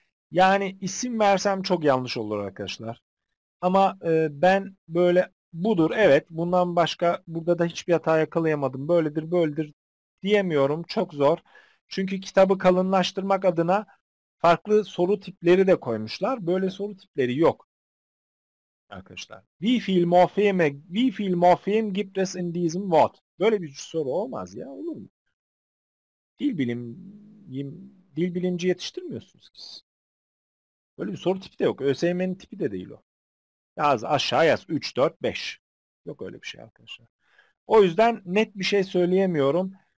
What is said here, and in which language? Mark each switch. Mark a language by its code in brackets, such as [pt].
[tr] Yani isim versem çok yanlış olur arkadaşlar. Ama ben böyle budur evet bundan başka burada da hiçbir hata yakalayamadım. Böyledir böyledir diyemiyorum. Çok zor. Çünkü kitabı kalınlaştırmak adına farklı soru tipleri de koymuşlar. Böyle soru tipleri yok. Arkadaşlar. [de] Wie viel Morpheme gibt es in diesem Wort? [tr] Böyle bir soru olmaz ya. Olur mu? Dil bilimci yetiştirmiyorsunuz ki. Böyle bir soru tipi de yok. ÖSYM'nin tipi de değil o. Yaz aşağı yaz. 3, 4, 5. Yok öyle bir şey arkadaşlar. O yüzden net bir şey söyleyemiyorum.